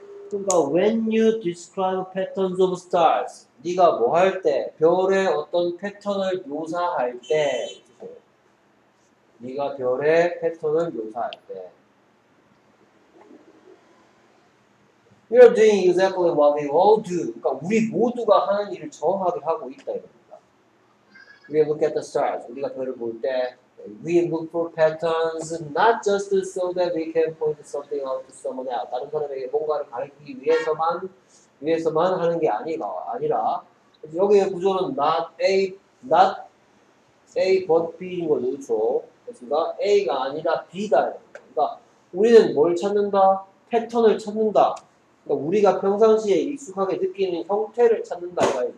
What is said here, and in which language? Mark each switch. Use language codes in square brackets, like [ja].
[en] 그러니까 when you describe patterns of stars, [ko] 네가 뭐 할 때, 별의 어떤 패턴을 묘사할 때, [en] 네가 별의 패턴을 묘사할 때, you are doing exactly what we all do. [ko] 그러니까 우리 모두가 하는 일을 정확하게 하고 있다 이겁니다. [en] We look at the stars. [ko] 우리가 별을 볼 때, [en] we look for patterns not just so that we can point something out to someone else. [ko] 다른 사람에게 뭔가를 가르치기 위해서만 하는 게 아니라 여기의 구조는 not A but B인 거죠. 그렇죠? 그렇습니까? A가 아니라 B다. 그러니까 우리는 뭘 찾는다? 패턴을 찾는다. 그러니까 우리가 평상시에 익숙하게 느끼는 형태를 찾는다.